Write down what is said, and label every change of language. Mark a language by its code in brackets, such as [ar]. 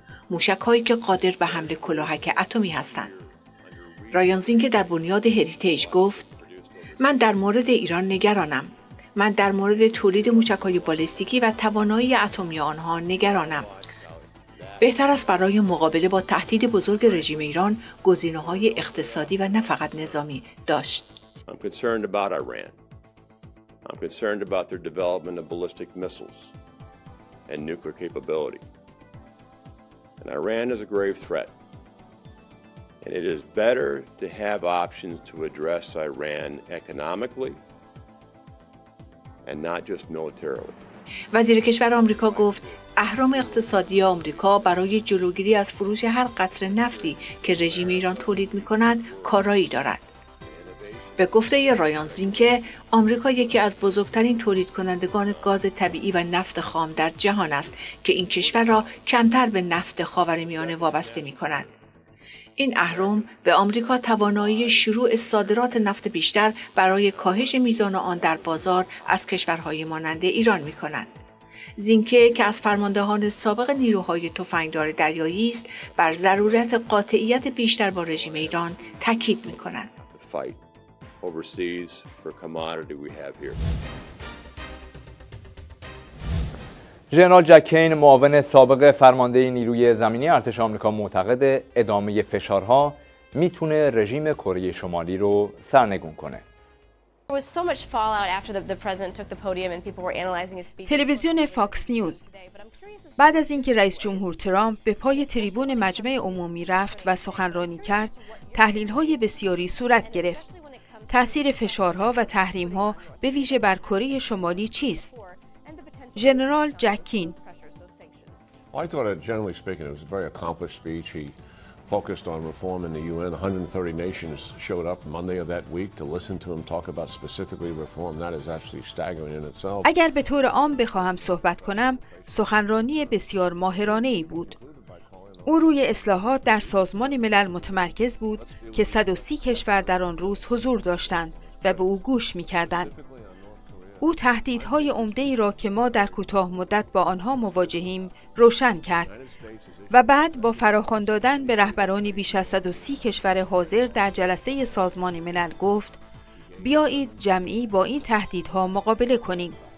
[fa] موشک‌هایی که قادر به حمله کلاهک اتمی هستند. رایان زینکه در بنیاد هریتیج گفت من در مورد ایران نگرانم. من در مورد تولید موشک‌های بالستیکی و توانایی اتمی آنها نگرانم. بهتر است برای مقابله با تهدید بزرگ رژیم ایران گزینه‌های اقتصادی و نه فقط نظامی داشت. [en] I'm concerned about their development of ballistic missiles and nuclear capability. And Iran is a grave threat. And it is better to have options to address Iran economically and not just militarily. [fa] وزیر کشور آمریکا گفت اهرام اقتصادی آمریکا برای جلوگیری از فروش هر قطره نفتی که رژیم ایران تولید می‌کند کارایی دارد. به گفته ی رایان زینکه آمریکا یکی از بزرگترین تولید کنندگان گاز طبیعی و نفت خام در جهان است که این کشور را کمتر به نفت خاورمیانه وابسته می کند. این اهرم به آمریکا توانایی شروع صادرات نفت بیشتر برای کاهش میزان آن در بازار از کشورهای مانند ایران می کند. زینکه که از فرماندهان سابق نیروهای تفنگدار دریایی است بر ضرورت قاطعیت بیشتر با رژیم ایران تاکید می کند. [en] Overseas for commodity we have here. [fa] ژنرال جکین معاون سابق فرمانده نیروی زمینی ارتش آمریکا معتقد ادامه فشارها میتونه رژیم کره شمالی رو سرنگون کنه. [en] There was so much fallout after the president took the podium and people were analyzing his speech. [fa] تلویزیون فاکس نیوز بعد از اینکه رئیس جمهور ترامپ به پای تریبون مجمع عمومی رفت و سخنرانی کرد، تحلیل‌های بسیاری صورت گرفت. تأثیر فشارها و تحریم‌ها به ویژه بر کره شمالی چیست؟ ژنرال جکین: [en] I thought it, generally speaking, it was a very accomplished speech. He focused on reform in the UN. 130 nations showed up Monday of that week to listen to him talk about specifically reform. That is actually staggering in itself. [fa] اگر به طور عام بخواهم صحبت کنم، سخنرانی بسیار ماهرانه ای بود. او روی اصلاحات در سازمان ملل متمرکز بود که 130 کشور در آن روز حضور داشتند و به او گوش می‌کردند. او تهدیدهای عمده‌ای را که ما در کوتاه مدت با آنها مواجهیم روشن کرد و بعد با فراخوان دادن به رهبرانی بیش از 130 کشور حاضر در جلسه سازمان ملل گفت بیایید جمعی با این تهدیدها مقابله کنیم.